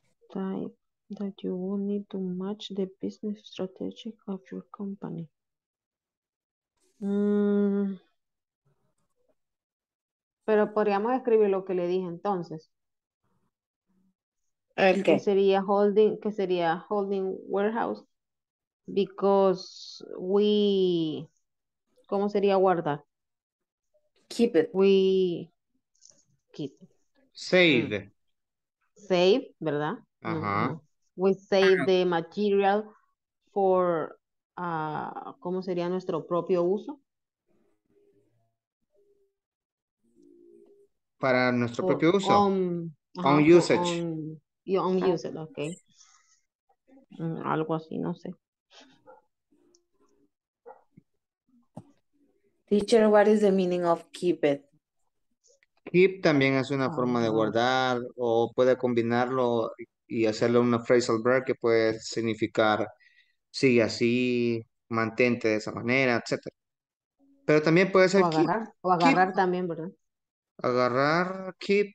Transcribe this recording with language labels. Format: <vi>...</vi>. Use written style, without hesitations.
<en>Type that you will need to match the business strategy of your company.</en> <es>Pero podríamos escribir lo que le dije entonces. Okay. Que sería</es> <en>holding warehouse because we,</en> <es>¿cómo sería guardar?</es> <en>Keep it. We keep. Save. Save, ¿verdad? Uh-huh. We save the material for,</en> <es>¿cómo sería nuestro propio uso? Para nuestro propio uso.</es> <en>On usage. You own use it, okay.</en> <es>Algo así, no sé.</es> <en>Teacher, what is the meaning of keep it?</en> <es>Keep también es una forma de guardar o puede combinarlo y hacerle una phrasal verb que puede significar sigue así, mantente de esa manera, etc. Pero también puede ser o agarrar, keep. O agarrar keep. También, ¿verdad? Agarrar, keep,</es>